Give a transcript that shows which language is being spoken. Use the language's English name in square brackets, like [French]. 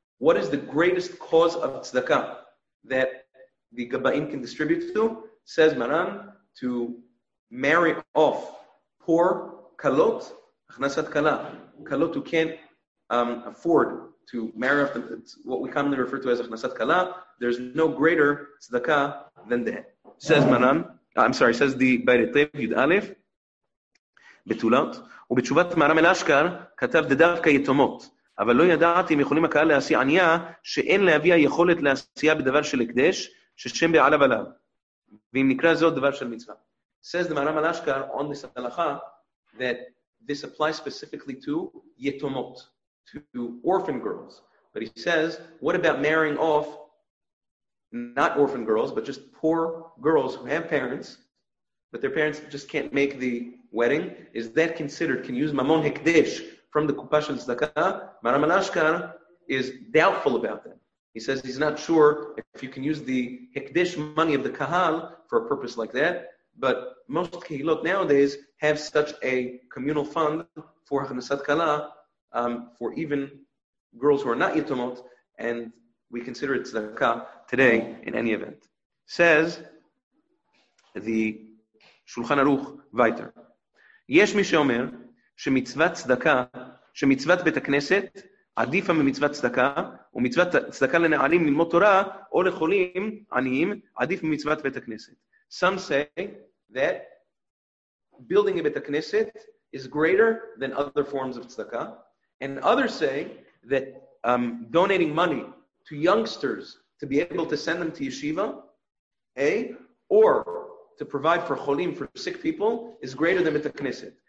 [English] What is the greatest cause of tzedakah that the gabayim can distribute to? Says Maran, to marry off poor kalot, achnasat kala, kalot who can't afford to marry off them, it's what we commonly refer to as achnasat kala. There's no greater tzedakah than that. Says Maran, I'm sorry, says the Beit Tev Yud Aleph, betulot, [Hebrew] ובתשובת מהרם אל אשכר, כתב דדווקא יתומות, אבל לא ידעתי אם יכולים הקהל להשיא ענייה, שאין להביא היכולת להשיאה בדבר של הקדש, ששם בעליו עליו. ואם נקרא זאת דבר של מצווה. [English] Says the מהרם אל אשכר on this הלכה, that this applies specifically to יתומות, to orphan girls. But he says, what about marrying off, not orphan girls, but just poor girls who have parents, but their parents just can't make the wedding, is that considered, can use mamon hekdesh from the kupa shel tzedakah? Maram al Ashkar is doubtful about that. He says he's not sure if you can use the hekdesh money of the kahal for a purpose like that, but most kehilot nowadays have such a communal fund for hachnasat kala, for even girls who are not yitomot, and we consider it tzedakah today in any event. Says the Shulchan Aruch Vayter. [Hebrew] יש מי שאומר שמצוות צדקה, שמצוות בית הכנסת עדיפה ממצוות צדקה, ומצוות צדקה לנערים ללמוד תורה או לחולים עניים עדיף ממצוות בית הכנסת. [English] Some say that building a בית הכנסת is greater than other forms of צדקה, and others say that donating money to youngsters to be able to send them to yeshiva, or to provide for cholim, for sick people, is greater than bit haknesset.